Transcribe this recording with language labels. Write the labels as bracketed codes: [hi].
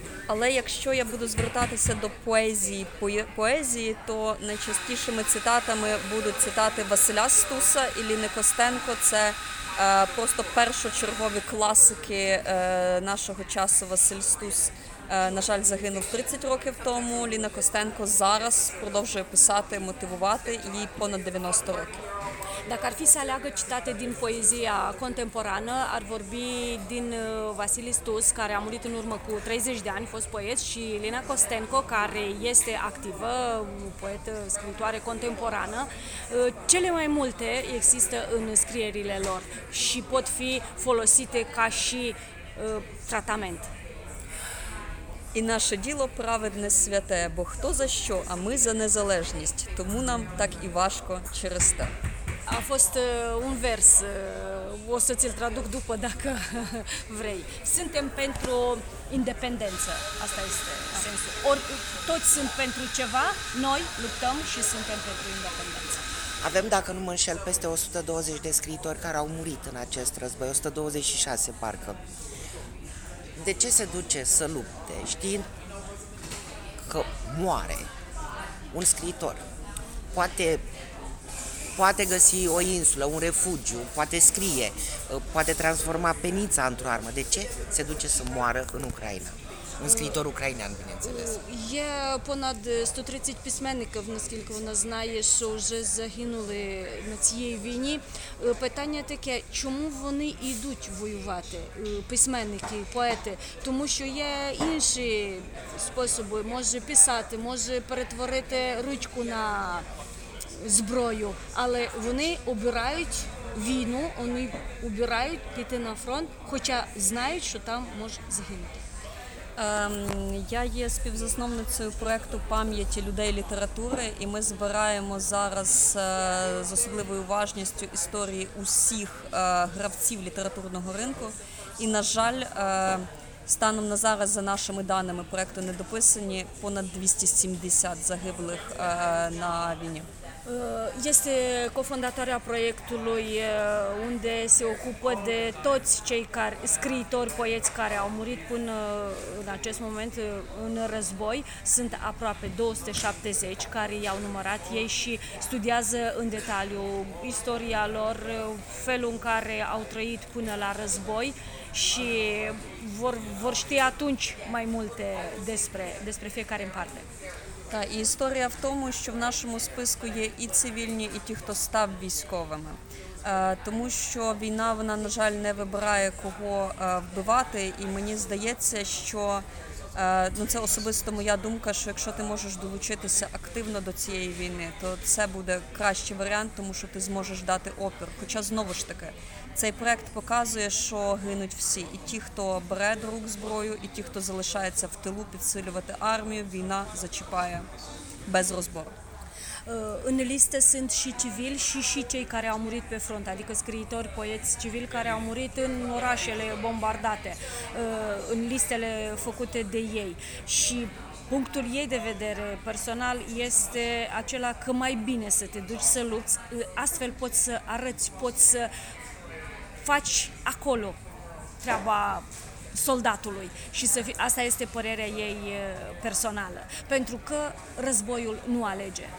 [uk] Але якщо я буду звертатися до поезії, поезії, то найчастішими цитатами будуть цитати Василя Стуса і Ліни Костенко. Це просто першочергові класики нашого часу. Василь Стус, на жаль, загинув 30 років тому. Ліна Костенко зараз продовжує писати, мотивувати, їй понад 90 років. [ro] Dacă ar fi să aleagă citate din poezia contemporană, ar vorbi din Vasile Stus, care a murit în urmă cu 30 de ani, fost poet, și Lina Costenco, care este activă, poetă, scriitoare contemporană. Cele mai multe există în scrierile lor și pot fi folosite ca și tratament. [uk] І наше діло праведне святе, бо хто за що, а ми за незалежність, тому нам так і важко через те. [ro] A fost un vers, o să ți-l traduc după dacă vrei. Suntem pentru independență, asta este sensul. Ori toți sunt pentru ceva, noi luptăm și suntem pentru independență. Avem, dacă nu mă înșel, peste 120 de scriitori care au murit în acest război, 126 parcă. De ce se duce să lupte știind că moare un scriitor? Poate găsi o insulă, un refugiu, poate scrie, poate transforma penița într-o armă. De ce se duce să moară în Ucraina? Un scriitor ucrainean, bineînțeles. [uk] Є понад 130 письменників, наскільки вона знає, що вже загинули на цієї війні. Питання таке, чому вони йдуть воювати, письменники, поети? Тому що є інші способи, може писати, може перетворити ручку на зброю, але вони обирають війну, вони обирають піти на фронт, хоча знають, що там можуть загинути. Я є співзасновницею проєкту «Пам'яті людей літератури», і ми збираємо зараз з особливою уважністю історії усіх гравців літературного ринку. І, на жаль, станом на зараз, за нашими даними, проєкту недописані, понад 270 загиблих на війні. [ro] Este cofondatoarea proiectului unde se ocupă de toți cei care, scriitori, poeți care au murit până în acest moment în război. Sunt aproape 270 care i-au numărat ei și studiază în detaliu istoria lor, felul în care au trăit până la război și vor ști atunci mai multe despre fiecare în parte. [uk] Та і історія в тому, що в нашому списку є і цивільні, і ті, хто став військовими. Тому що війна, вона, на жаль, не вибирає, кого вбивати. І мені здається, що Ну, це особисто моя думка, що якщо ти можеш долучитися активно до цієї війни, то це буде кращий варіант, тому що ти зможеш дати опір. Хоча, знову ж таки, цей проект показує, що гинуть всі. І ті, хто бере до рук зброю, і ті, хто залишається в тилу підсилювати армію, війна зачіпає без розбору. [ro] Analiste sunt și civili și și cei care au murit pe front, adică scriitori, poeți civili care au murit în orașele bombardate, în listele făcute de ei. Și punctul ei de vedere personal este acela că mai bine să te duci să lupți, astfel poți să arăți, poți să faci acolo treaba soldatului și să fi, asta este părerea ei personală, pentru că războiul nu alege.